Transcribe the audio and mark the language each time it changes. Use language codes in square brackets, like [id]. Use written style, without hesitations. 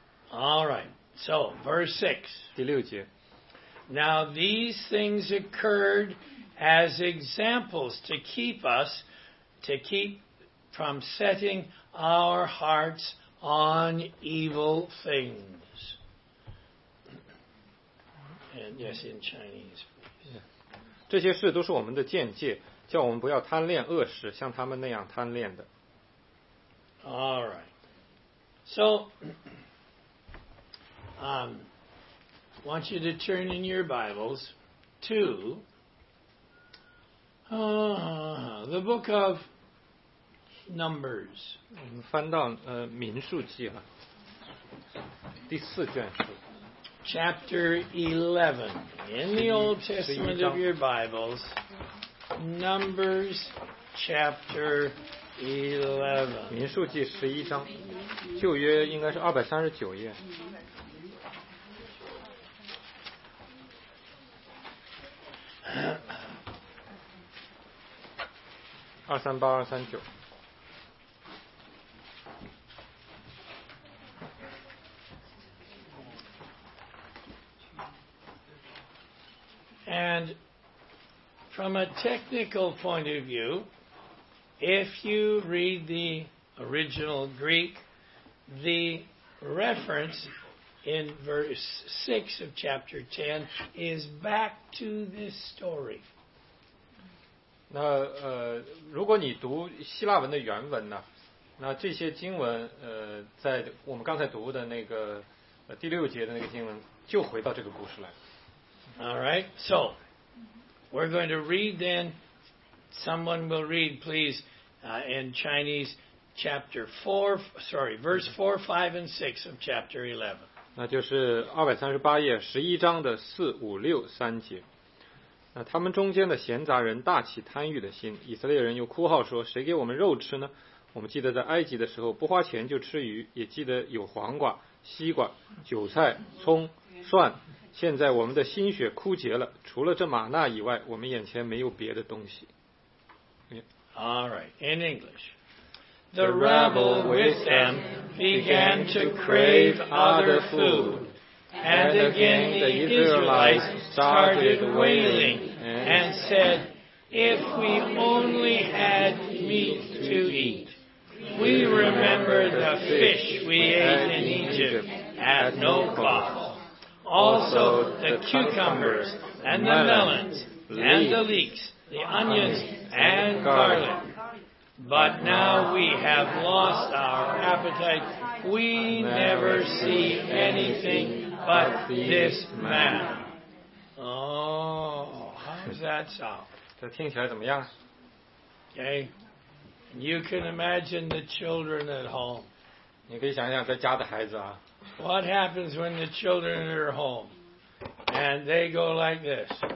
[en] All right, so verse 6. [zh] 第六节。 [en] Now these things occurred as examples to keep us, to keep from setting our hearts on evil things. And yes, in Chinese. [zh] 这些事都是我们的鉴戒。叫我们不要贪恋恶事，像他们那样贪恋的。 [en] All right. So, I want you to turn in your Bibles to the book of Numbers. [zh] 翻到民数记哈，第四卷书。 [en] Chapter 11 in the Old Testament of your Bibles. Numbers chapter 11. [zh] 民数记十一章，旧约应该是239页。 238-239。 [en] And. From a technical point of view, if you read the original Greek, the reference in verse 6 of chapter 10 is back to this story. [zh] 那如果你读希腊文的原文呢，那这些经文在我们刚才读的那个第六节的那个经文就回到这个故事来。 [en] All right, so. We're going to read then, someone will read please, in Chinese, chapter 4, sorry, verse 4, 5, and 6 of chapter 11. [zh] 那就是238页11章的4、5、6、3节。那他们中间的闲杂人大起贪欲的心，以色列人又哭号说，谁给我们肉吃呢？我们记得在埃及的时候不花钱就吃鱼，也记得有黄瓜、西瓜、韭菜、葱、蒜。现在我们的心血枯竭了，除了这玛纳以外，我们眼前没有别的东西。 [en] All right, in English. The rabble with them began to crave other food, and again the Israelites started wailing and said, "If we only had meat to eat, we remember the fish we ate in Egypt at no cost." Also, the cucumbers, and the melons, and the leeks, the onions, and garlic. But now we have lost our appetite. We never see anything but this man. Oh, how's that sound? [zh] 这听起来怎么样？ [en] Okay. You can imagine the children at home. [zh] 你可以想想在家的孩子啊。 [en] What happens when the children are home and they go like this?